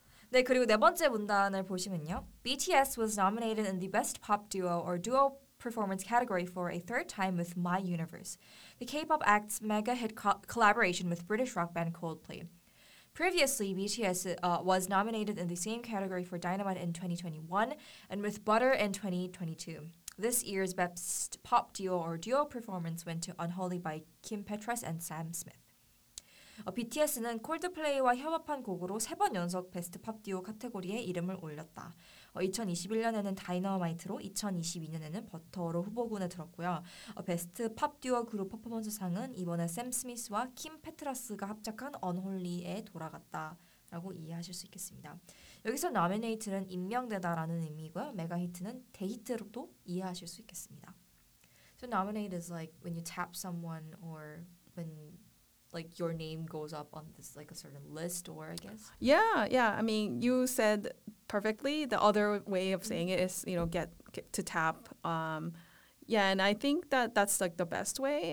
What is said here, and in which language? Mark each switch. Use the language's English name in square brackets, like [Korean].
[Korean] 네, 그리고 네 번째 문단을 보시면요. [English] BTS was nominated in the Best Pop Duo or Duo Performance category for a third time with My Universe, the K-pop act's mega-hit collaboration with British rock band Coldplay. Previously, BTS was nominated in the same category for Dynamite in 2021 and with Butter in 2022. This year's Best Pop Duo or Duo Performance went to Unholy by Kim Petras and Sam Smith. [Korean] BTS는 콜드플레이와 협업한 곡으로 세 번 연속 베스트 팝 듀오 카테고리에 이름을 올렸다. 2021년에는 다이너마이트로, 2022년에는 버터로 후보군에 들었고요. 베스트 팝 듀오 그룹 퍼포먼스 상은 이번에 샘 스미스와 킴 페트라스가 합작한 언홀리에 돌아갔다라고 이해하실 수 있겠습니다. 여기서 노미네이트는 임명되다라는 의미고요. 메가히트는 대히트로도 이해하실 수 있겠습니다. [English] So nominate is like when you tap someone or when like your name goes up on this like a certain list or I guess. Yeah. I mean, you said perfectly. The other way of saying it is, you know, get to tap. And I think that's like the best way.